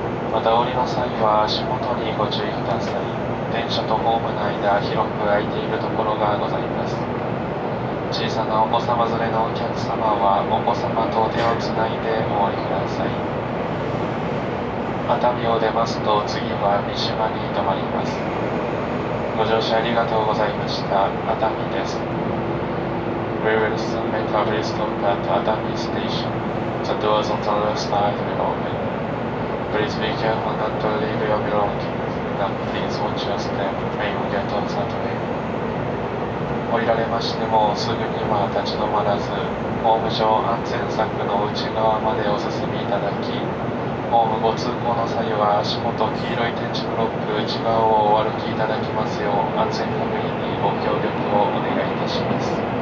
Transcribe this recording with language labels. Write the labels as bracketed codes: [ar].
[ja] また降りの際は足元にご注意ください。電車とホームの間、広く空いているところがございます。小さなお子様連れのお客様はお子様と手をつないでお降りください。熱海を出ますと次は三島に停まります。ご乗車ありがとうございました。熱海です。 [en] We will soon make our first stop at 熱海 station. The doors on the left side will open. Please be careful not to leave your belongings. Now please watch your step. May you get on the train. [ja] 降りられましても、すぐには立ち止まらず、ホーム上安全柵の内側までお進みいただき、ホームご通行の際は足元黄色い点字ブロック内側をお歩きいただきますよう、安全確認にご協力をお願いいたします。